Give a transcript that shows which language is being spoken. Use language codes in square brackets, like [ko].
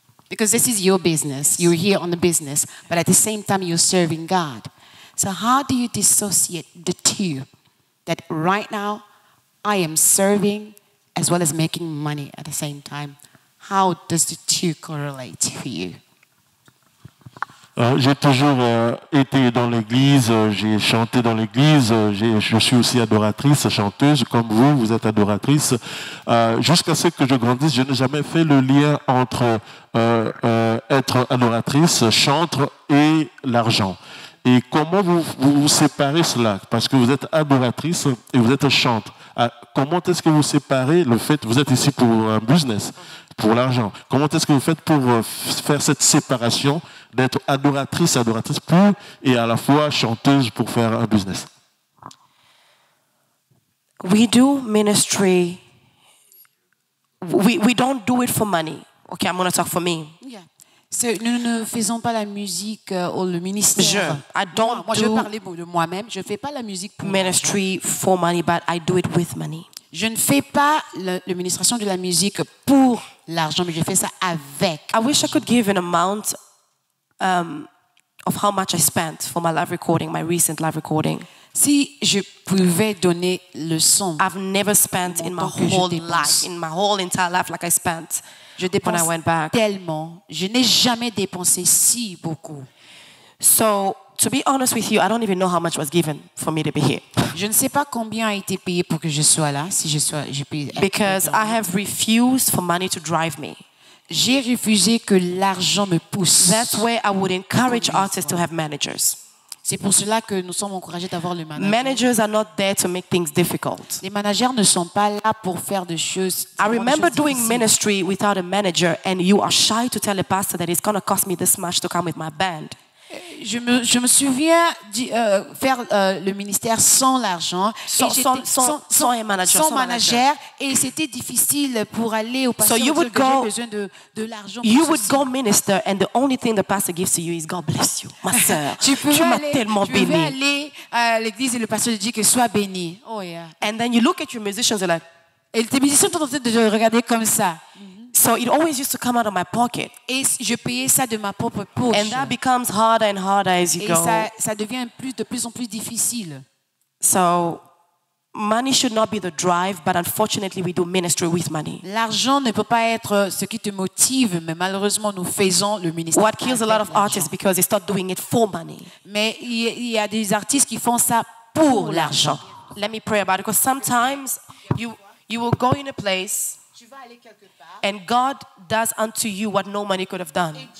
[en] Because this is your business. You're here on the business, but at the same time, you're serving God. So how do you dissociate the two? That right now, I am serving as well as making money at the same time. How does the two correlate for you? [fr] J'ai toujours été dans l'église, j'ai chanté dans l'église, je suis aussi adoratrice, chanteuse, comme vous, vous êtes adoratrice. Jusqu'à ce que je grandisse, je n'ai jamais fait le lien entre être adoratrice, chanteur et l'argent. Et comment vous séparez cela? Parce que vous êtes adoratrice et vous êtes chanteuse. Comment est-ce que vous séparez le fait, vous êtes ici pour un business, pour l'argent. Comment est-ce que vous faites pour faire cette séparation d'être adoratrice pour et à la fois chanteuse pour faire un business? [en] We do ministry. We don't do it for money. Okay, I'm going to talk for me. Yeah. [fr] So, nous ne faisons pas la musique ou le ministère. Je vais parler de moi-même. Je fais pas la musique pour [en] ministry for money, but I do it with money. [fr] Je ne fais pas l'administration de la musique pour l'argent, mais je fais ça avec. [en] I wish I could give an amount of how much I spent for my live recording, my recent live recording. [fr] Si je pouvais donner le son, [en] I've never spent in my whole life, in my whole entire life, like I spent when I went back. [fr] Tellement, je n'ai jamais dépensé si beaucoup. [en] So, to be honest with you, I don't even know how much was given for me to be here. [fr] Je ne sais pas combien a été payé pour que je sois là, si je sois, je puis. [en] Because I have refused for money to drive me. [fr] J'ai refusé que l'argent me pousse. [en] That's why I would encourage artists to have managers. [fr] C'est pour cela que nous sommes encouragés d'avoir le manager. [en] Managers are not there to make things difficult. [fr] Les managers ne sont pas là pour faire des choses. [en] I remember doing ministry without a manager, and you are shy to tell a pastor that it's going to cost me this much to come with my band. [fr] Je me souviens faire le ministère sans l'argent, sans manager, et c'était difficile pour aller au pasteur. [en] So you would go, [fr] j'ai besoin de l'argent. [en] You would go minister, and the only thing the pastor gives to you is God bless you, [fr] ma sœur. Tu peux aller à l'église et le pasteur te dit que sois béni. [en] Oh yeah. And then you look at your musicians, they're like, [fr] et tes musiciens sont en train de te regarder comme ça. Mm-hmm. [en] So it always used to come out of my pocket. [fr] Et je payais ça de ma propre poche. [en] And that becomes harder and harder as you [fr] et [en] go. [fr] Ça, ça devient plus, de plus en plus difficile. [en] So money should not be the drive, but unfortunately we do ministry with money. [fr] L'argent ne peut pas être ce qui te motive, mais malheureusement nous faisons le ministère. [en] What kills a lot of artists because they start doing it for money. [fr] Mais il y a des artistes qui font ça pour l'argent. [en] Let me pray about it because sometimes you will go in a place and God does unto you what no money could have done.